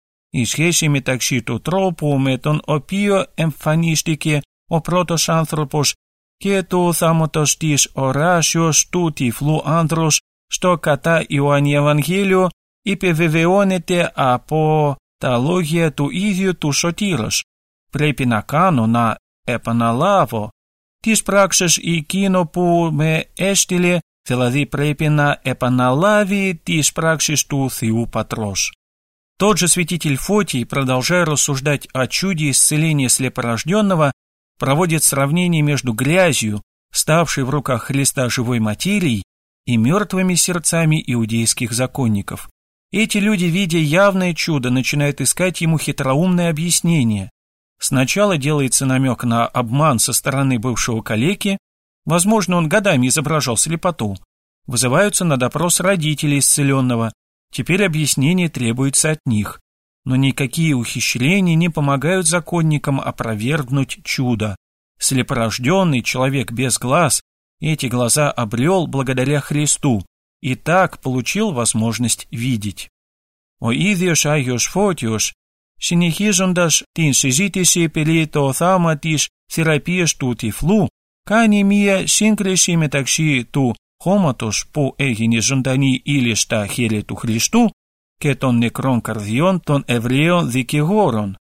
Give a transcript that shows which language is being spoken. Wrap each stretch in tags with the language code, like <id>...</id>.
<el>Η σχέση μεταξύ του τρόπου με τον οποίο εμφανίστηκε ο πρώτος άνθρωπος και του θάμματος της οράσεως του τυφλού άνδρος στο κατά Ιωάννη Ευαγγέλιο επιβεβαιώνεται από τα λόγια του ίδιου του Σωτήρος. Πρέπει να κάνω, να επαναλάβω τις πράξεις εκείνο που με έστειλε, δηλαδή πρέπει να επαναλάβει τις πράξεις του Θεού Πατρός.</el> <ru>Тот же святитель Фотий, продолжая рассуждать о чуде исцеления слепорожденного, проводит сравнение между грязью, ставшей в руках Христа живой материей, и мертвыми сердцами иудейских законников. Эти люди, видя явное чудо, начинают искать ему хитроумное объяснение. Сначала делается намек на обман со стороны бывшего калеки, возможно, он годами изображал слепоту. Вызываются на допрос родители исцеленного. Теперь объяснение требуется от них, но никакие ухищрения не помогают законникам опровергнуть чудо. Слепорожденный человек без глаз эти глаза обрел благодаря Христу и так получил возможность видеть.</ru> <el>«О ίδιος Άγιος Φώτιος, συνεχίζοντας την συζήτηση περί το θάμα της θεραπείας του τυφλού, κάνει μία σύγκριση μεταξύ του χώματος που έγινε ζωντανή ύλη στα χέρια του Χριστού και των νεκρών καρδιών των Εβραίων δικηγόρων.</el>